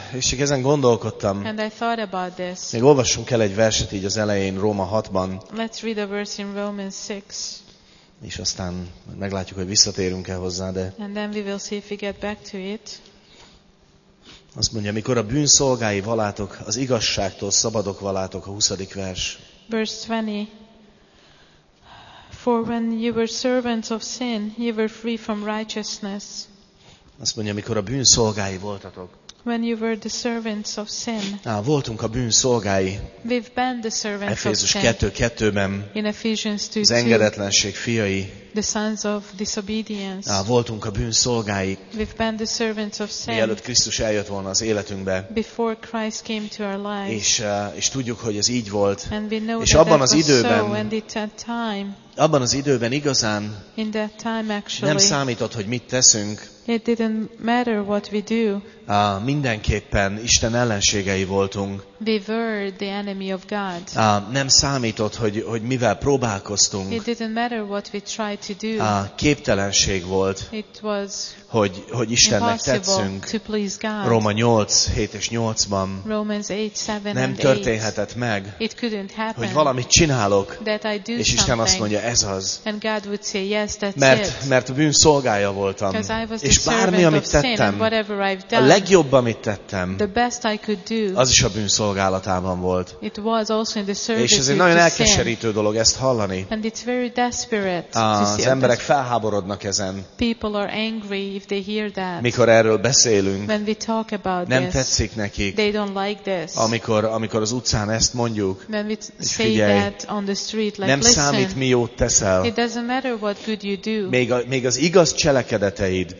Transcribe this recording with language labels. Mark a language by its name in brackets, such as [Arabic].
[Hungarian] És csak ezen gondolkodtam, [English] and I thought about this. [Hungarian] Még olvassunk el egy verset így az elején, Róma 6-ban. [English] Let's read a verse in Romans 6. [Hungarian] És aztán meglátjuk, hogy visszatérünk-e hozzá, de... [English] And then we will see if we get back to it. [Hungarian] Azt mondja, mikor a bűn szolgái valátok, az igazságtól szabadok valátok, a 20. vers. [English] Verse 20. For when you were servants of sin, you were free from righteousness. [Hungarian] Azt mondja, mikor a bűn szolgái voltatok. [English] When you were the servants of sin. [Hungarian] Voltunk a bűn szolgái. [English] We've been the servants of sin. [Hungarian] Efézus 2:2-ben. [English] In Ephesians 2:2. [Hungarian] Az engedetlenség fiai. [English] The sons of disobedience. [Hungarian] Voltunk a bűn szolgái. [English] We've been the servants of sin. [Hungarian] Mielőtt Krisztus eljött volna az életünkbe. [English] Before Christ came to our lives. [Hungarian] És tudjuk, hogy ez így volt. [English] And we know [Hungarian] és abban az időben. [English] So, and it's that time. [Hungarian] Abban az időben igazán. [English] In that time, actually. [Hungarian] Nem számított, hogy mit teszünk. [English] It didn't matter what we do. [Hungarian] Mindenképpen Isten ellenségei voltunk. [English] We were the enemy of God. [Hungarian] Nem számított, hogy mivel próbálkoztunk. [English] It didn't matter what we tried to do. [Hungarian] Képtelenség volt. [English] It was [Hungarian] hogy Istennek tetszünk. [English] To please God. [Hungarian] Róma 8:7-8-ban. [English] Romans 8:7 [Hungarian] nem történhetett meg. [English] It couldn't happen. [Hungarian] Hogy valamit csinálok. [English] That I do [Hungarian] és Isten azt mondja, ez az. [English] And God would say, yes, that's [Hungarian] mert bűn szolgája voltam. És bármi, amit tettem, [English] sin, done, [Hungarian] a legjobb, amit tettem, [English] the best I could do, [Hungarian] az is a bűn szolgája. szolgálatában volt. [English] It was also in the service. [Hungarian] És ez egy nagyon elkeserítő dolog ezt hallani. [English] And it's very desperate. [Hungarian] Az emberek felháborodnak ezen. [English] People are angry if they hear that. [Hungarian] Mikor erről beszélünk. [English] When we talk about this. [Hungarian] Nem tetszik nekik. [English] They don't like this. [Hungarian] Amikor az utcán ezt mondjuk. [English] When we say that on the street, like, [Hungarian] nem számít, mi jót teszel. [English] It doesn't matter what good you do. [Hungarian] Még az igaz cselekedeteid.